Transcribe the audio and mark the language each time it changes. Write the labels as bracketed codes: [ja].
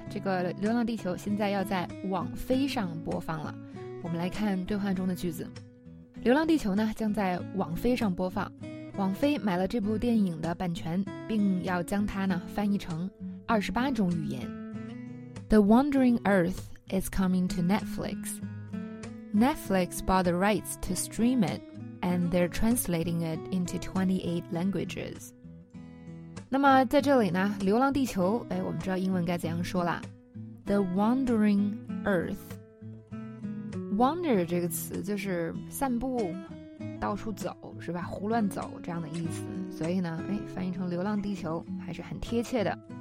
[zh] 这个《流浪地球》现在要在网飞上播放了。我们来看对话中的句子。《流浪地球》呢将在网飞上播放，网飞买了这部电影的版权，并要将它呢翻译成28种语言。 [en] The Wandering Earth is coming to Netflix. Netflix bought the rights to stream it, and they're translating it into 28 languages. [zh] 那么在这里呢，《流浪地球》哎，我们知道英文该怎样说啦 ？ [en] The Wandering Earth. [zh] Wander 这个词就是散步，到处走是吧？胡乱走这样的意思。所以呢，哎，翻译成流浪地球还是很贴切的。